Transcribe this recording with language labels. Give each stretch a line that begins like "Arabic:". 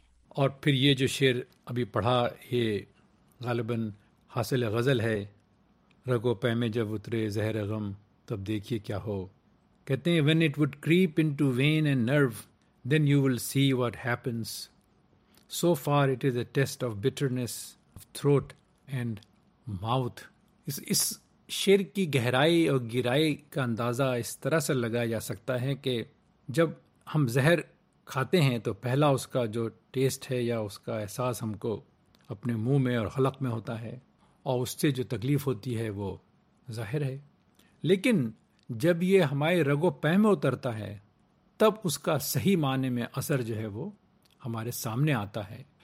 Urdu: اور پھر یہ جو شعر ابھی پڑھا, یہ غالباً حاصل غزل ہے, رگو پہ میں جب اترے زہر غم تب دیکھیے کیا ہو. کہتے ہیں
English: when it would creep into vein and nerve then you will see what happens, so far it is a test of bitterness of throat and mouth.
Urdu: اس شعر کی گہرائی اور گرائی کا اندازہ اس طرح سے لگایا جا سکتا ہے کہ جب ہم زہر کھاتے ہیں تو پہلا اس کا جو ٹیسٹ ہے یا اس کا احساس ہم کو اپنے منہ میں اور حلق میں ہوتا ہے, اور اس سے جو تکلیف ہوتی ہے وہ ظاہر ہے, لیکن جب یہ ہمارے رگ و پہ میں اترتا ہے تب اس کا صحیح معنی میں اثر جو ہے وہ ہمارے سامنے آتا ہے.